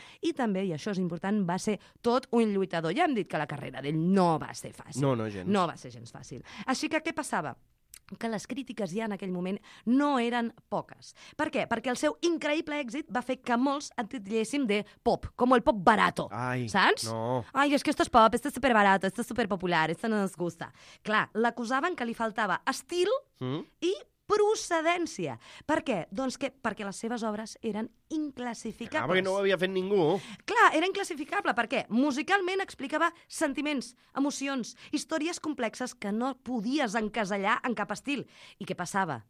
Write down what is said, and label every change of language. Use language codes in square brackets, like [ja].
[ca] I també, i això és important, va ser tot un lluitador. Ja hem dit que la carrera d'ell no va ser fàcil. No, gens. No va ser gens fàcil. Així que què passava? Que les crítiques ja en aquell moment no eren poques. Per què? Perquè el seu increïble èxit va fer que molts et titllessin de pop, com el pop barato. Ai, saps? No. [es] Ai, és que esto es pop, esto es super barato, esto es super popular, esto no nos gusta. [ca] Clar, l'acusaven que li faltava estil i procedència. Per què? Doncs que perquè les seves obres eren inclassificables. Ah, perquè no ho havia fet ningú. Clar, era inclassificable. Per què? Musicalment explicava sentiments, emocions, històries complexes que no podies encasellar en cap estil. I què passava?